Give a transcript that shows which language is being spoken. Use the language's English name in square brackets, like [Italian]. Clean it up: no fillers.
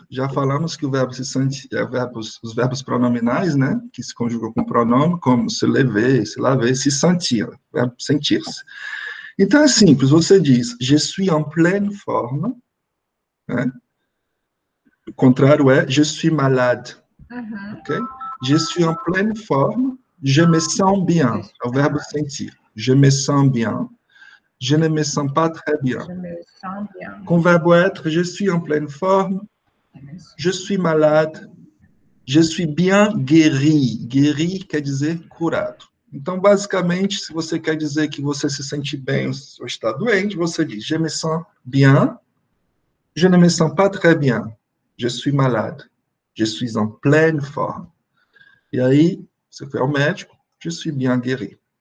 [Portuguese] Já falamos que o verbo se sentir é verbos, os verbos pronominais, né? Que se conjugam com pronome, como [French] se lever, se laver, se sentir. [Portuguese] Verbo sentir-se. Então é simples, você diz [French] je suis en pleine forme, [Portuguese] né? O contrário é [French] je suis malade. Uhum. Okay? Je suis en pleine forme, je me sens bien. [Portuguese] É o verbo sentir. [French] Je me sens bien. Je ne me sens pas très bien. Je me sens bien. [Portuguese] Com o verbo [French] être, je suis en pleine forme, je suis malade, je suis bien guéri. [Portuguese] Guéri quer dizer curado. Então, basicamente, se você quer dizer que você se sente bem ou está doente, você diz [French] je me sens bien, je ne me sens pas très bien, je suis malade, je suis en pleine forme. [Portuguese] E aí, você foi ao médico, [French] je suis bien guéri.